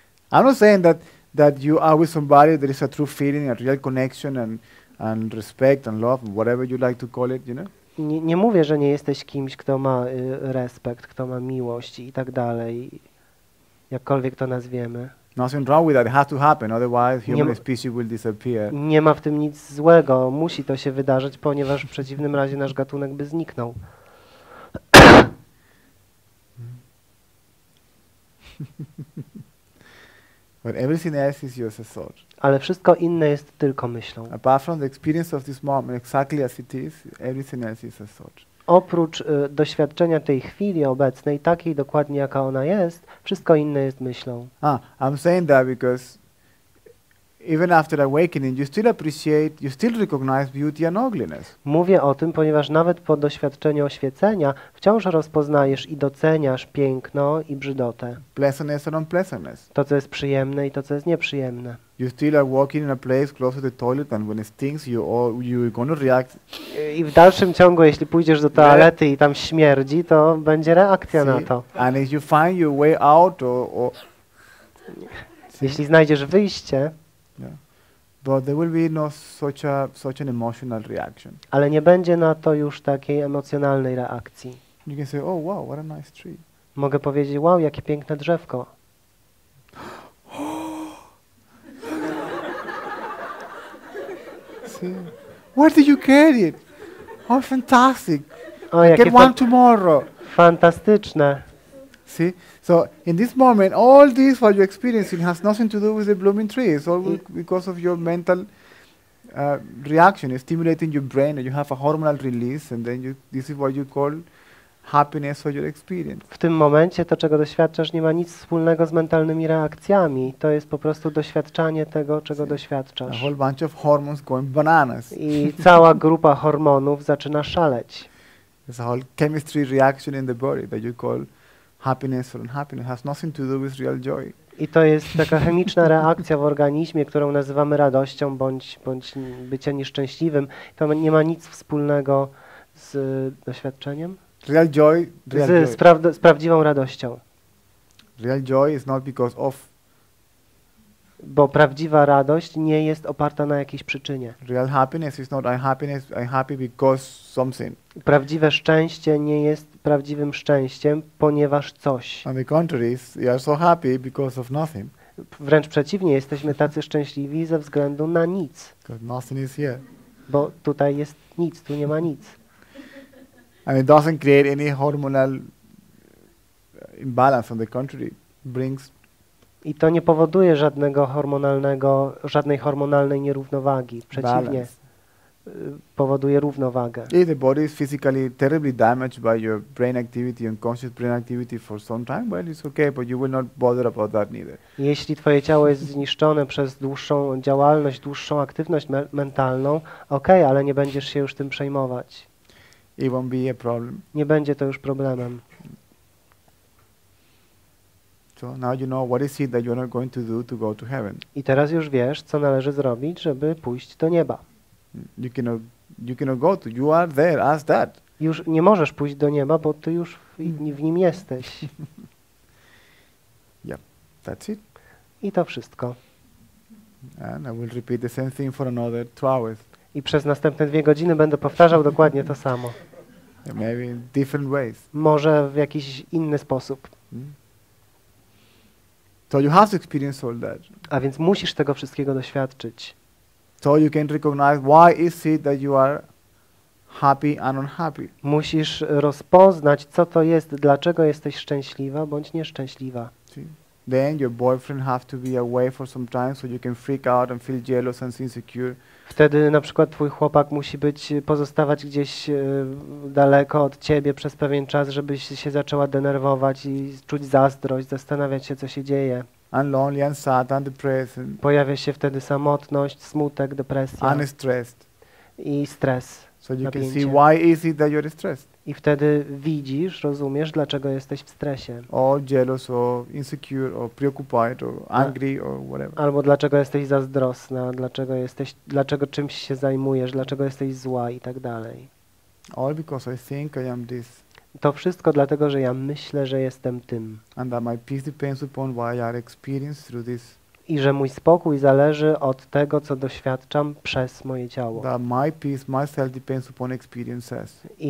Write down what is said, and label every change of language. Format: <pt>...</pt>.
<en>I'm not saying that you are with somebody, there is a true feeling, a real connection and respect and love, whatever you like to call it, you know?</en> <pl>Nie mówię, że nie jesteś kimś, kto ma respekt, kto ma miłość i tak dalej, jakkolwiek to nazwiemy.</pl> <en>Nothing wrong with that. It has to happen, otherwise human species will disappear.</en> <pl>Nie ma w tym nic złego. Musi to się wydarzyć, ponieważ w przeciwnym razie nasz gatunek by zniknął.</pl> <en>But everything else is just a thought.</en> <pl>Ale wszystko inne jest tylko myślą.</pl> <en>Apart from the experience of this moment, exactly as it is, everything else is a thought.</en> <pl>Oprócz doświadczenia tej chwili obecnej, takiej dokładnie jaka ona jest, wszystko inne jest myślą.</pl> <en>I'm saying that because even after awakening, you still appreciate, you still recognize beauty and ugliness.</en> <pl>Mówię o tym, ponieważ nawet po doświadczeniu oświecenia wciąż rozpoznajesz i doceniasz piękno i brzydotę.</pl> <en>Pleasantness and unpleasantness.</en> <pl>To, co jest przyjemne i to, co jest nieprzyjemne.</pl> <en>You still are walking in a place close to the toilet, and when it stinks, you're going to react.</en> <pl>I w dalszym ciągu, jeśli pójdziesz do toalety i tam śmierdzi, to będzie reakcja na to.</pl> <en>And if you find your way out, or</en> <pl>jeśli znajdziesz wyjście.</pl> <en>But there will be no such an emotional reaction.</en> <pl>Ale nie będzie na to już takiej emocjonalnej reakcji.</pl> <en>You can say, oh wow, what a nice tree.</en> <pl>Mogę powiedzieć, wow, jakie piękne drzewko.</pl> <en>See? Where did you get it? Oh, fantastic. Oh, I get one tomorrow.</en> <pl>Fantastyczne.</pl> <en>See? So in this moment, all this what you're experiencing has nothing to do with the blooming tree. It's all because of your mental reaction. It's stimulating your brain and you have a hormonal release and then this is what you call happiness or your experience.</en> <pl>W tym momencie to, czego doświadczasz, nie ma nic wspólnego z mentalnymi reakcjami. To jest po prostu doświadczanie tego, czego doświadczasz.</pl> <en>A whole bunch of hormones going bananas.</en> <pl>I cała grupa hormonów zaczyna szaleć.</pl> <en>There's a whole chemistry reaction in the body that you call happiness or unhappiness has nothing to do with real joy.</en> <pl>I to jest taka chemiczna reakcja w organizmie, którą nazywamy radością bądź bycia nieszczęśliwym. To nie ma nic wspólnego z doświadczeniem.</pl> <en>Real joy.</en> <pl>Z prawdziwą radością.</pl> <en>Real joy is not because of</en> <pl>Bo prawdziwa radość nie jest oparta na jakiejś przyczynie.</pl> <en>Real happiness is not I'm happy because something.</en> <pl>Prawdziwe szczęście nie jest prawdziwym szczęściem, ponieważ coś.</pl> <en>On the contrary, you are so happy because of nothing.</en> <pl>Wręcz przeciwnie, jesteśmy tacy szczęśliwi ze względu na nic.</pl> <en>Because nothing is here.</en> <pl>Bo tutaj jest nic, tu nie ma nic.</pl> <en>And it doesn't create any hormonal imbalance, on the contrary, brings.</en> <pl>I to nie powoduje żadnego hormonalnego, żadnej hormonalnej nierównowagi. Przeciwnie, powoduje równowagę.</pl> <en>If the body is physically terribly damaged by your brain activity, unconscious brain activity for some time, well, it's okay, but you will not bother about that neither.</en> <pl>Jeśli twoje ciało jest zniszczone przez dłuższą działalność, dłuższą aktywność mentalną, okej, ale nie będziesz się już tym przejmować.</pl> <en>It won't be a problem.</en> <pl>Nie będzie to już problemem.</pl> <en>So now you know what is it that you are not going to do to go to heaven.</en> <pl>I teraz już wiesz, co należy zrobić, żeby pójść do nieba.</pl> <en>You cannot go to. You are there as that.</en> <pl>Już nie możesz pójść do nieba, bo ty już w nim jesteś.</pl> <en>Yeah, that's it.</en> <pl>I to wszystko.</pl> <en>And I will repeat the same thing for another 2 hours.</en> <pl>I przez następne 2 godziny będę powtarzał dokładnie to samo.</pl> <en>Yeah, maybe in different ways.</en> <pl>Może w jakiś inny sposób.</pl> <en>So you have to experience all that.</en> <pl>A więc musisz tego wszystkiego doświadczyć.</pl> <en>So you can recognize why is it that you are happy and unhappy.</en> <pl>Musisz rozpoznać, co to jest, dlaczego jesteś szczęśliwa bądź nieszczęśliwa.</pl> <en>See? Then your boyfriend has to be away for some time so you can freak out and feel jealous and insecure.</en> <pl>Wtedy na przykład twój chłopak musi być pozostawać gdzieś daleko od ciebie przez pewien czas, żebyś się zaczęła denerwować i czuć zazdrość, zastanawiać się, co się dzieje.</pl> <en>And lonely, and sad, and depressed.</en> <pl>Pojawia się wtedy samotność, smutek, depresja.</pl> <en>And stressed.</en> <pl>I stres.</pl> <en>So you can see why is it that you're stressed.</en> <pl>I wtedy widzisz, rozumiesz, dlaczego jesteś w stresie.</pl> <en>Or jealous, or insecure, or preoccupied, or angry, or whatever.</en> <pl>Albo dlaczego jesteś zazdrosna, dlaczego czymś się zajmujesz, dlaczego jesteś zła i tak dalej.</pl> <en>All because I think I am this.</en> <pl>To wszystko dlatego, że ja myślę, że jestem tym.</pl> <en>And that my peace depends upon what I have experienced through this.</en> <pl>I że mój spokój zależy od tego, co doświadczam przez moje ciało.</pl> <en>That my peace, my self depends upon experiences.</en>